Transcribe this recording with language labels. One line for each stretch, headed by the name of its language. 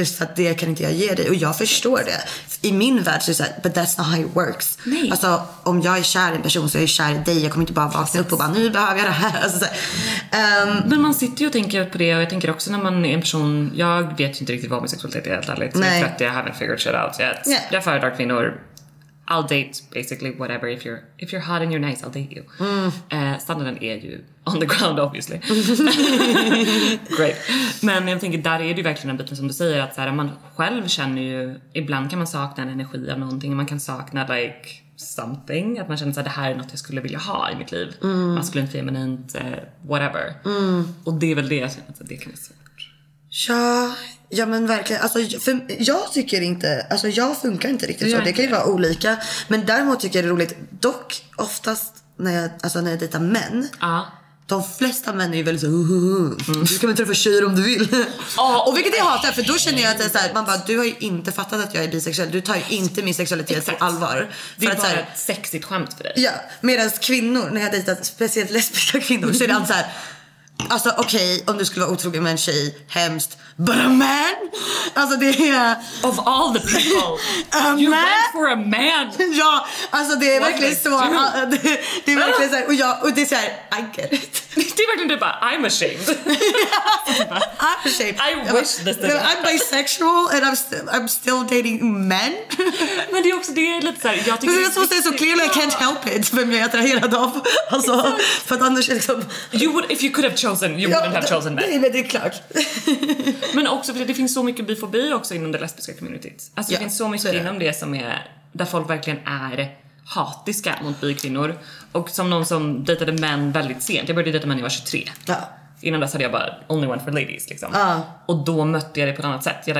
Swedish: Just att det kan inte jag ge dig. Och jag förstår det. I min värld så är det så här,
English: but that's not how it works.
Swedish: Nej. Alltså, om jag är kär i en person så är jag kär i dig. Jag kommer inte bara vakna upp och bara, nu behöver jag det här. Alltså, men man sitter ju och tänker på det. Och jag tänker också när man är en person, jag vet ju inte riktigt vad min sexualitet är helt ärligt. Nej. För att jag
English: haven't figured shit out yet. Yeah.
Swedish: Jag föredrar kvinnor.
English: I'll date basically whatever. If you're hot and you're nice, I'll date you.
Swedish: Standarden är ju
English: on the ground obviously. Great.
Swedish: Men jag tänker, där är det ju verkligen en biten som du säger, att så här, man själv känner ju, ibland kan man sakna en energi av någonting. Man kan sakna
English: like something.
Swedish: Att man känner att det här är något jag skulle vilja ha i mitt liv. Maskulint, feminint, whatever. Och det är väl det jag känner, att det kan vara svårt. Ja. Ja men verkligen, alltså, för jag tycker inte, alltså jag funkar inte riktigt så, det kan ju vara olika. Men däremot tycker jag det är roligt, dock oftast när jag, alltså när jag dejtar män, de flesta män är ju väldigt så, du kan väl träffa tjejer om du vill. Och vilket jag hatar, för då känner jag att det är så här, man bara, du har ju inte fattat att jag är bisexuell, du tar ju inte min sexualitet på allvar. Det är för bara att, så här, ett sexigt skämt för dig. Ja, medan kvinnor, när jag dejtar speciellt lesbiska kvinnor, så är det alltid så här, alltså okej, okay, om du skulle vara otrogen med en tjej, hemskt,
English: but a man,
Swedish: alltså det är,
English: of all the people, went for a man.
Swedish: Ja, alltså det är verkligen så, det är verkligen så här, och det är så här,
English: I get it.
Swedish: Det är verkligen du bara,
English: I'm ashamed. I'm ashamed. I wish this didn't happen. I'm bisexual and I'm still dating men.
Swedish: Men det är också, det är lite såhär, jag tycker det är så, så
English: clear, yeah. I can't help it,
Swedish: vem jag är attraherad av. Alltså,
English: exactly.
Swedish: För att annars är liksom,
English: you would, if you could have chosen, you wouldn't have chosen men.
Swedish: Nej, men det är klart. Men också, för det finns så mycket bifobi också inom det lesbiska communityt. Alltså det finns så mycket inom det som är, där folk verkligen är hatiska mot bi-kvinnor. Och som någon som dejtade män väldigt sent, jag började dejta män när jag var 23. Innan dess hade jag bara only one for ladies liksom. Och då mötte jag det på ett annat sätt.